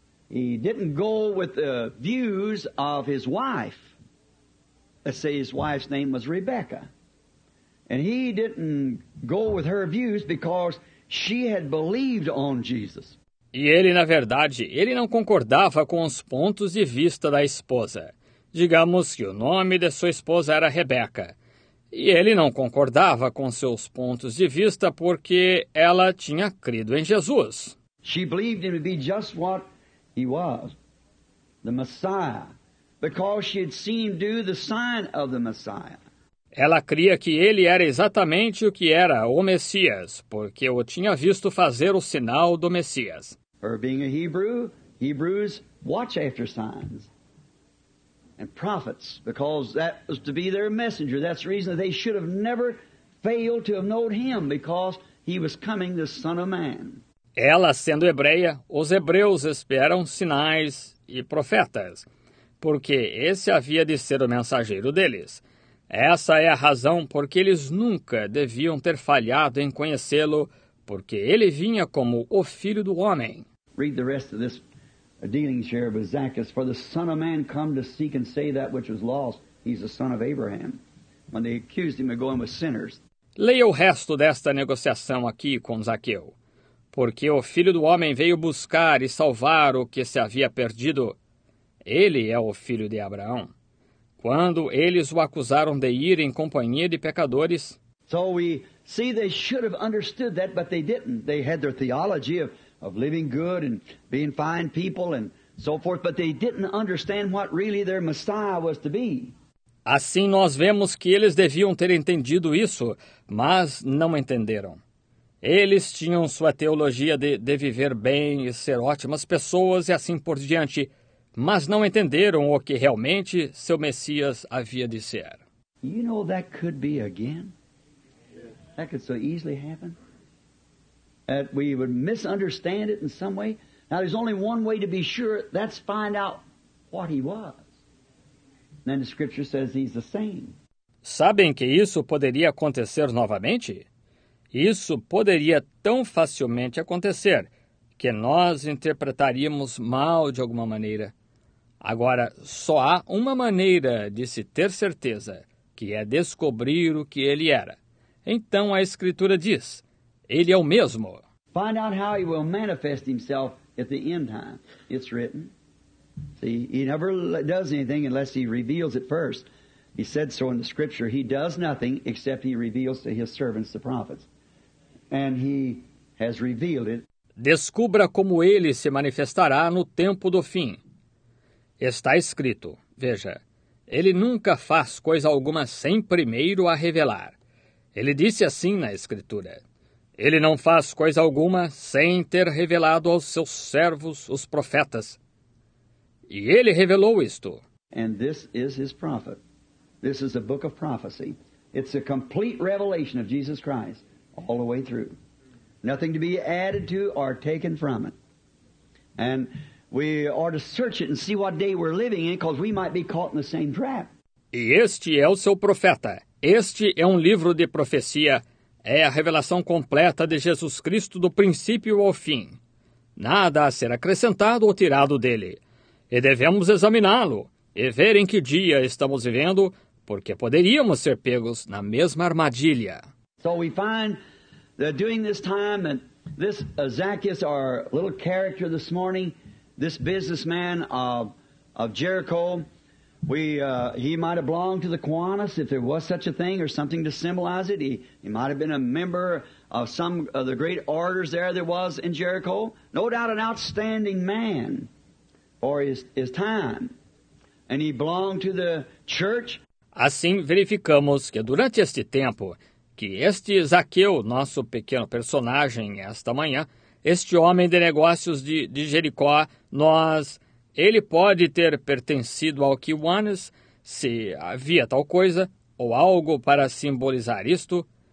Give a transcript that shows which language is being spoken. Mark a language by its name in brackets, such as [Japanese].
[English] He didn't go with the views of his wife. Let's say his wife's name was Rebecca. And he didn't go with her views because she had believed on Jesus. [Portuguese] E ele, na verdade, ele não concordava com os pontos de vista da esposa. Digamos que o nome de sua esposa era Rebeca. E ele não concordava com seus pontos de vista porque ela tinha crido em Jesus. [English] She believed him to be just what he was, the Messiah, because she had seen do the sign of the Messiah. [Portuguese] Ela cria que ele era exatamente o que era, o Messias, porque o tinha visto fazer o sinal do Messias. [English] Her being a Hebrew, Hebrews watch after signs and prophets, because that was to be their messenger. That's the reason that they should have never failed to have known him, because he was coming, the Son of Man. [Portuguese] Ela, sendo hebreia, os hebreus esperam sinais e profetas, porque esse havia de ser o mensageiro deles. Essa é a razão porque eles nunca deviam ter falhado em conhecê-lo, porque ele vinha como o Filho do Homem. [English] Read the rest of this dealings here with Zacchaeus. For the Son of Man come to seek and save that which was lost. He's the son of Abraham. When they accused him of going with sinners. [Portuguese] Leia o resto desta negociação aqui com Zaqueu. Porque o Filho do Homem veio buscar e salvar o que se havia perdido. Ele é o filho de Abraão. Quando eles o acusaram de ir em companhia de pecadores. [English] So we see they should have understood that, but they didn't. They had their theology of living good and being fine people and so forth, but they didn't understand what really their Messiah was to be. [Portuguese] Assim nós vemos que eles deviam ter entendido isso, mas não entenderam. Eles tinham sua teologia de viver bem e ser ótimas pessoas e assim por diante, mas não entenderam o que realmente seu Messias havia de ser. [English] You know that could be again. That could so easily happen. That we would misunderstand it in some way. Now there's only one way to be sure. That's find out what he was. And then the scripture says he's the same. [Portuguese] Sabem que isso poderia acontecer novamente? Isso poderia tão facilmente acontecer que nós interpretaríamos mal de alguma maneira. Agora, só há uma maneira de se ter certeza, que é descobrir o que ele era. Então a Escritura diz, ele é o mesmo. [English] Find out how he will manifest himself at the end time. It's written. See, he never does anything unless he reveals it first. He said so in the Scripture. He does nothing except he reveals to his servants the prophets. And he has revealed it. [Portuguese] Descubra como ele se manifestará no tempo do fim. Está escrito, veja, ele nunca faz coisa alguma sem primeiro a revelar. Ele disse assim na Escritura. Ele não faz coisa alguma sem ter revelado aos seus servos, os profetas. E ele revelou isto. [English] And this is his prophet. This is a book of prophecy. It's a complete revelation of Jesus Christ all the way through. Nothing to be added to or taken from it. And we are to search it and see what day we're living in, because we might be caught in the same trap. [Portuguese] E este é o seu profeta. Este é um livro de profecia. É a revelação completa de Jesus Cristo do princípio ao fim. Nada a ser acrescentado ou tirado dele. E devemos examiná-lo e ver em que dia estamos vivendo, porque poderíamos ser pegos na mesma armadilha. [English] So we find that during this time and this Zacchaeus, our little character this morning, this businessman of Jericho, he might have belonged to the Kiwanis, if there was such a thing, or something to symbolize it. He might have been a member of some of the great orders there was in Jericho. No doubt an outstanding man for his time. And he belonged to the church. [Portuguese] Assim verificamos que durante este tempo, que este Zaqueu, nosso pequeno personagem esta manhã, este homem de negócios de Jericó, ele pode ter pertencido ao Kiwanis, se havia tal coisa, ou algo para simbolizar isto.